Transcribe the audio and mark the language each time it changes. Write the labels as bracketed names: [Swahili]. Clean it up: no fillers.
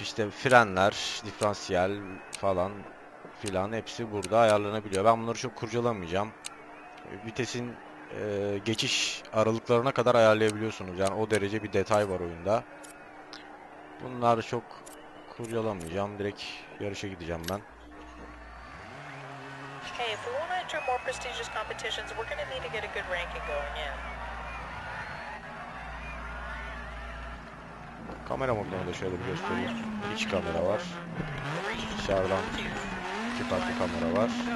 [Turkish] İşte frenler, diferansiyel falan filan hepsi burada ayarlanabiliyor. Ben bunları çok kurcalamayacağım. Vitesin geçiş aralıklarına kadar ayarlayabiliyorsunuz. Yani o derece bir detay var oyunda. Bunları çok kurcalamayacağım. Direkt yarışa gideceğim ben. [English] Hey, if we want to enter more prestigious competitions, we're going to need to get a good ranking going in. [Turkish] Kamera modunu da şöyle bir göstereyim. İç kamera var. Dışarıdan iki farklı kamera var.